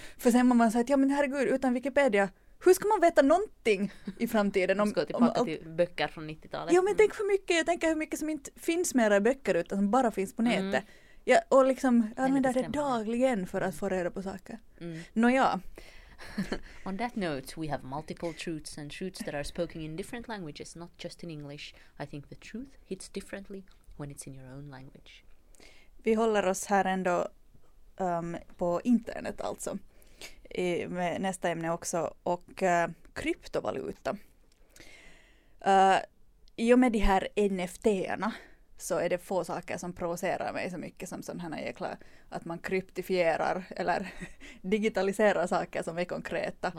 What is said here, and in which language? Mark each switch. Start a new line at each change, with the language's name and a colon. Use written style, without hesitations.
Swedish: För sen var man så här, ja men herregud, utan Wikipedia, hur ska man veta någonting i framtiden? Om, ska jag tillbaka till böcker från 90-talet? Ja, men tänk för mycket. Jag tänker hur mycket som inte finns mer i böcker, utan som bara finns på nätet. Mm. Ja, och liksom använder det dagligen för att få reda på saker. Mm. Nåja.
English: On that note, we have multiple truths and truths that are spoken in different languages, not just in English. I think the truth hits differently when it's in your own language.
Swedish: Vi håller oss här ändå på internet alltså. Med nästa ämne också. Och kryptovaluta. I och med de här NFT-erna så är det få saker som provocerar mig så mycket som sådana här jäkla att man kryptifierar eller digitaliserar saker som är konkreta.